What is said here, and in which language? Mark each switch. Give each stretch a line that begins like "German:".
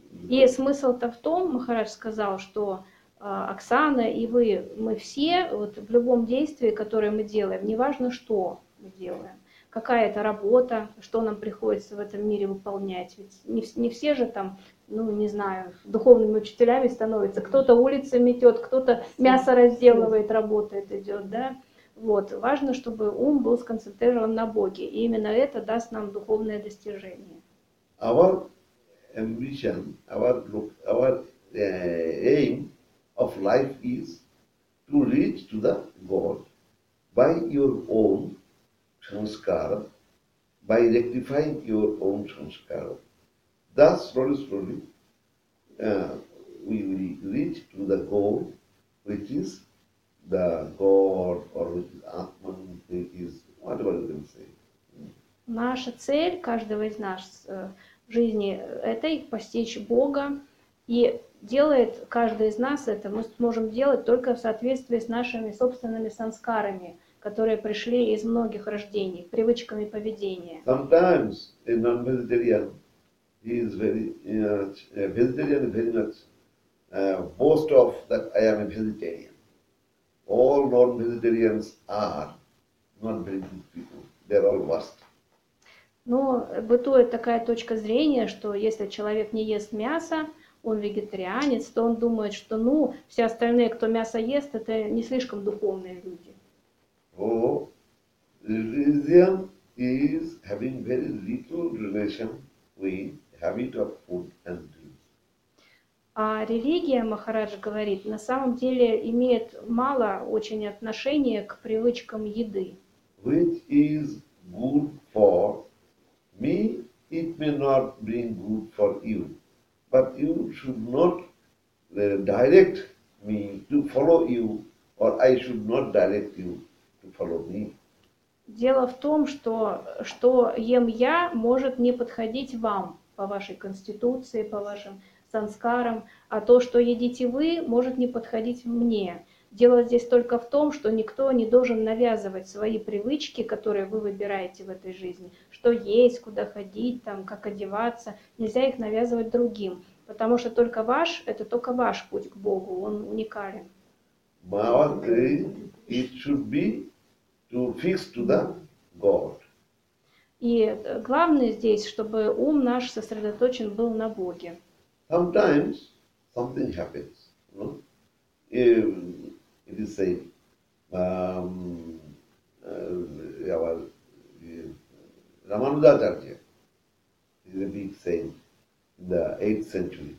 Russian: И смысл-то в том, Махарадж сказал, что Оксана и вы, мы все, вот в любом действии, которое мы делаем, неважно, что мы делаем, какая это работа, что нам приходится в этом мире выполнять, ведь не все же там, ну, не знаю, духовными учителями становятся, кто-то улицы метет, кто-то мясо разделывает, работает, идет, да, вот, важно, чтобы ум был сконцентрирован на Боге, и именно это даст нам духовное достижение.
English: Our ambition, our look, our aim of life is to reach to the God by your own samskara by rectifying your own samskara. Thus, slowly, slowly, we will reach to the goal, which is the God or which is Atman, which is whatever you can say.
Russian: Наша цель каждого из нас в жизни – это постичь Бога. И делает каждый из нас это, мы сможем делать только в соответствии с нашими собственными санскарами, которые пришли из многих рождений, привычками поведения.
English: Sometimes a non-vegetarian is very much, a vegetarian very much boast of that I am a vegetarian. All non-vegetarians are non-vegetarian people. They are all worst.
Russian: Но бытует такая точка зрения, что если человек не ест мясо, он вегетарианец, то он думает, что ну, все остальные, кто мясо ест, это не слишком духовные люди.
English: Oh, religion is having very little relation with habit of food and drink.
Russian: А религия, Махараджа говорит, на самом деле имеет мало очень отношения к привычкам еды.
English: Which is good for me, it may not be good for you. But you should not direct me to follow you, or I should not direct you to follow me.
Russian: Дело в том, что что ем я может не подходить вам по вашей конституции, по вашим санскарам, а то, что едите вы, может не подходить мне. Дело здесь только в том, что никто не должен навязывать свои привычки, которые вы выбираете в этой жизни. Что есть, куда ходить, там, как одеваться. Нельзя их навязывать другим. Потому что только ваш, это только ваш путь к Богу. Он уникален.
English: It should be to fix to the God.
Russian: И главное здесь, чтобы ум наш сосредоточен был на Боге.
English: Sometimes something happens. No? It is said, Рамануджа Ачарья, he is a big saint in the 8th century.